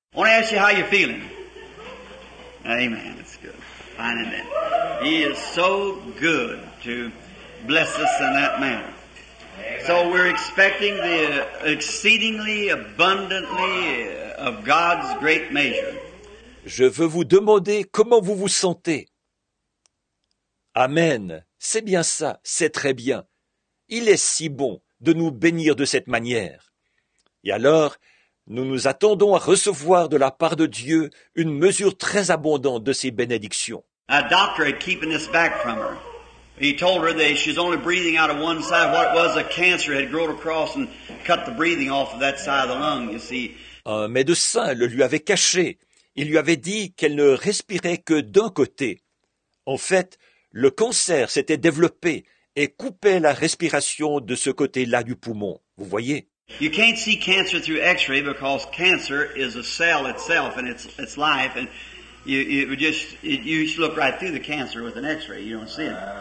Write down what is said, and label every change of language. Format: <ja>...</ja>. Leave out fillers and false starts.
<en>I want to ask you how you're feeling. Amen, it's good. Fine, amen. He is so good to bless us in that manner. Amen. So we're expecting the exceedingly abundantly of God's great measure.</en> <fr>Je veux vous demander comment vous vous sentez. Amen, c'est bien ça, c'est très bien. Il est si bon de nous bénir de cette manière. Et alors, nous nous attendons à recevoir de la part de Dieu une mesure très abondante de ses bénédictions.</fr> <en>A doctor had keeping this back from her. He told her that she's only breathing out of one side. What it was, a cancer had grown across and cut the breathing off of that side of the lung, you see.</en> <fr>Un médecin le lui avait caché. Il lui avait dit qu'elle ne respirait que d'un côté. En fait, le cancer s'était développé et coupait la respiration de ce côté-là du poumon, vous voyez.</fr> <en>You can't see cancer through x-ray because cancer is a cell itself and it's life and you look right through the cancer with an x-ray, you don't see it.</en>